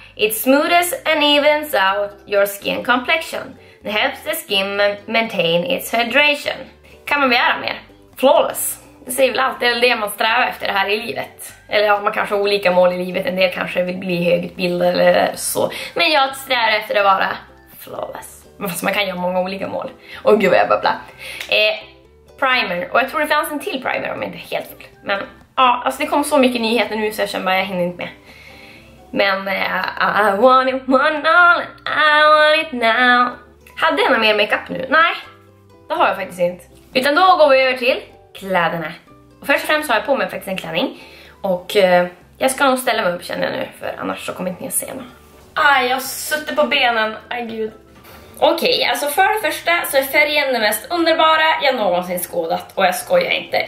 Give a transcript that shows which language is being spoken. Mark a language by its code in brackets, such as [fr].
[en] It smooths and evens out your skin complexion. It helps the skin maintain its hydration. [sv] Kan man begära mer? Flawless. Det säger väl allt. Det är det man strävar efter det här i livet. Eller ja, man kanske har olika mål i livet. En del kanske vill bli högutbildad eller så. Men jag strävar efter att vara flawless. Fast man kan göra många olika mål. Åh gud vad jag babblar. Primer. Och jag tror det fanns en till primer om jag inte helt vill. Men ja, alltså det kom så mycket nyheter nu så jag känner bara jag hinner inte med. Men [en] I want it one all and I want it now. [sv] Hade jag mer makeup nu? Nej. Det har jag faktiskt inte. Utan då går vi över till kläderna. Och först och främst har jag på mig faktiskt en klänning. Och jag ska nog ställa mig upp känner jag nu. För annars så kommer inte ni att se mig. Aj, jag sitter på benen. Aj gud. Okej, okay, alltså för det första så är färgen den mest underbara jag någonsin skådat. Och jag skojar inte.